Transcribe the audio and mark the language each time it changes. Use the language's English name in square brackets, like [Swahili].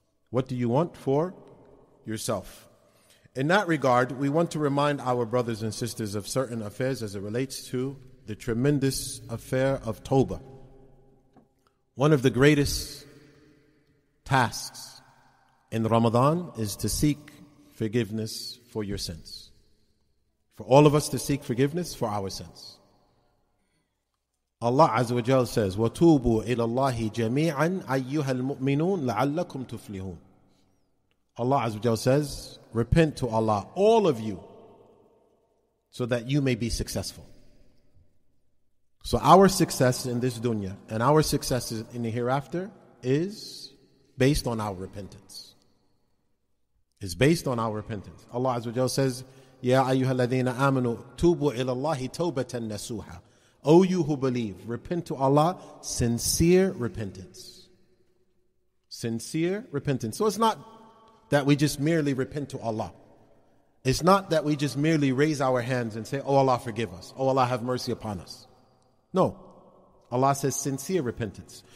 [English] What do you want for yourself? In that regard, we want to remind our brothers and sisters of certain affairs as it relates to the tremendous affair of Tawbah. One of the greatest tasks in Ramadan is to seek forgiveness for your sins. For all of us to seek forgiveness for our sins. [Arabic] Allah Azza wa Jal says, وَتُوبُوا إِلَى اللَّهِ جَمِيعًا أَيُّهَا الْمُؤْمِنُونَ لَعَلَّكُمْ تُفْلِحُونَ. [English] Allah Azza wa Jal says, repent to Allah, all of you, so that you may be successful. So our success in this dunya and our success in the hereafter is based on our repentance. It's based on our repentance. [Arabic] Allah Azza wa Jal says, يَا أَيُّهَا الَّذِينَ آمَنُوا تُوبُوا إِلَى اللَّهِ تَوْبَةً نَسُوحًا. [English] O you who believe, repent to Allah, sincere repentance. Sincere repentance. So it's not that we just merely repent to Allah. It's not that we just merely raise our hands and say, oh Allah, forgive us. Oh Allah, have mercy upon us. No. Allah says sincere repentance.